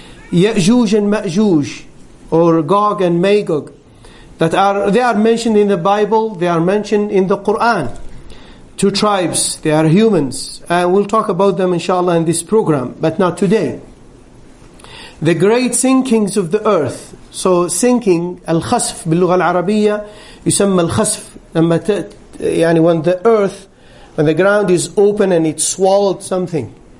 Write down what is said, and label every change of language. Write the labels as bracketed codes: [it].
[en] Ya'juj and Ma'juj, or Gog and Magog, they are mentioned in the Bible, they are mentioned in the Quran. Two tribes, they are humans. We'll talk about them inshallah in this program, but not today. The great sinkings of the earth. So sinking, [ar] al-khasf, باللغة العربية, يسمى الخسف. [en] When the earth, when the ground is open and it swallowed something.